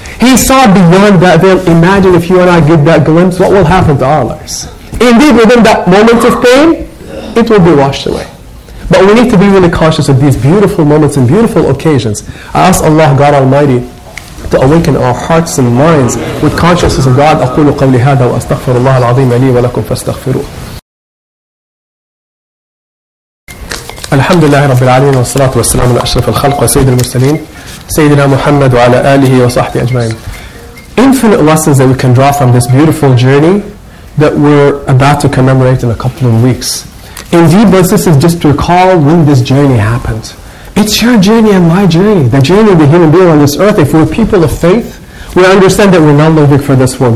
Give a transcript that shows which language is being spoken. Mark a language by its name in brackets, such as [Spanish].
[English] He saw beyond that veil. Imagine if you and I get that glimpse, what will happen to our lives? Indeed, within that moment of pain, it will be washed away. But we need to be really conscious of these beautiful moments and beautiful occasions. I ask Allah, God Almighty, to awaken our hearts and minds with consciousness of God. [Arabic] أَقُولُ قَوْلِ هَذَا وَأَسْتَغْفِرُ اللَّهَ الْعَظِيمَ لِي وَلَكُمْ فَاسْتَغْفِرُوهُ الحمد لله رب العالمين والصلاة والسلام على أشرف الخلق وسيد المرسلين سيدنا محمد وعلى آله وصحبه أجمعين. [English] Infinite lessons that we can draw from this beautiful journey that we're about to commemorate in a couple of weeks. Indeed, but this is just to recall when this journey happened. It's your journey and my journey, the journey of the human being on this earth. If we're people of faith, we understand that we're not living for this world.